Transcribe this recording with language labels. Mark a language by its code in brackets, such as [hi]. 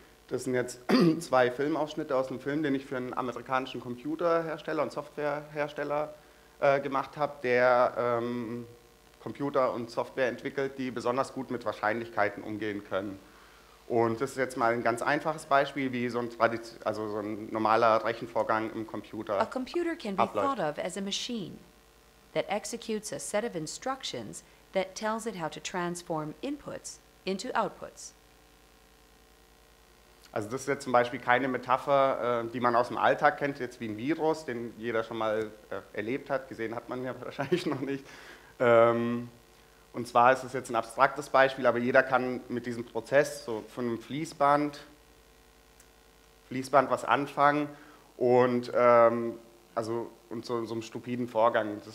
[de] Das sind jetzt zwei Filmausschnitte aus einem Film, den ich für einen amerikanischen Computerhersteller und Softwarehersteller gemacht habe, der Computer und Software entwickelt, die besonders gut mit Wahrscheinlichkeiten umgehen können. Und das ist jetzt mal ein ganz einfaches Beispiel, wie so ein normaler Rechenvorgang im Computer abläuft. [en] A computer can be thought of as a machine that executes a set of instructions that tells it how to transform inputs into outputs. [de] Also das ist jetzt zum Beispiel keine Metapher, die man aus dem Alltag kennt, jetzt wie ein Virus, den jeder schon mal erlebt hat, gesehen hat man ja wahrscheinlich noch nicht. Und zwar ist es jetzt ein abstraktes Beispiel, aber jeder kann mit diesem Prozess so von einem Fließband was anfangen und so einem stupiden Vorgang.